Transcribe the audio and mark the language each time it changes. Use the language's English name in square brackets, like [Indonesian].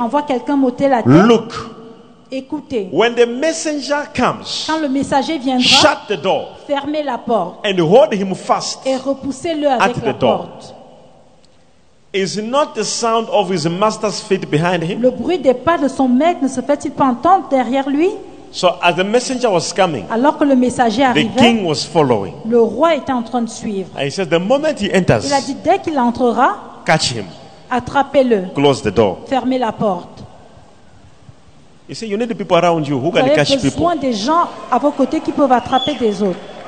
[French] Envoie quelqu'un m'ôter la tête. [English] Look. [French] Écoutez. [English] When the messenger comes, [French] quand le messager viendra, [English] shut the door. [French] Fermez la porte. [English] And hold him fast. [French] Et repoussez-le avec la porte. [English] Is not the sound of his master's feet behind him? [French] Le bruit des pas de son maître ne se fait-il pas entendre derrière lui? [English] So as the messenger was coming, [French] alors que le messager arrivait, [English] the king was following. [French] Le roi était en train de suivre. [English] And he says, the moment he enters, [French] il a dit dès qu'il entrera, [English] catch him. [French] Attrapez-le. [English] Close the door. [French] Fermez la porte. [English] You see, you need the people around you who can catch people. [French] Vous avez besoin des gens à vos côtés qui peuvent attraper des autres.